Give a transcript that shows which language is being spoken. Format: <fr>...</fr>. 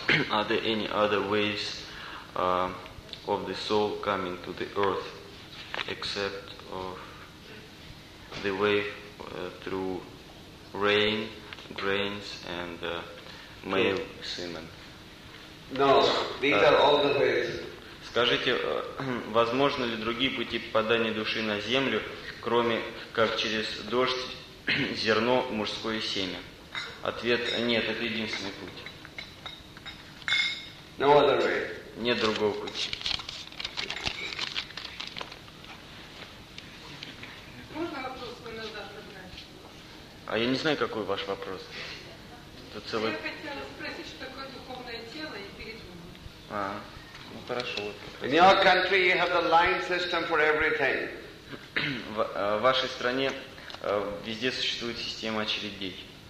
<en>Are there any other ways of the soul coming to the earth except of the way through rain, grains, and male semen? No, these are all the ways.</en> <ru>Скажите, возможно ли другие пути попадания души на землю, кроме как через дождь, зерно, мужское семя? Ответ – нет, это единственный путь.</ru> <en>No other way.</en> <ru>Нет другого пути. Можно вопрос мой на завтра знать? А я не знаю, какой ваш вопрос. Тут целый... Я хотела спросить, что такое духовное тело и передумать. А, ну хорошо. Вот,</ru> <en>in your country you have the line system for everything.</en> <ru>В вашей стране везде существует система очередей.</ru>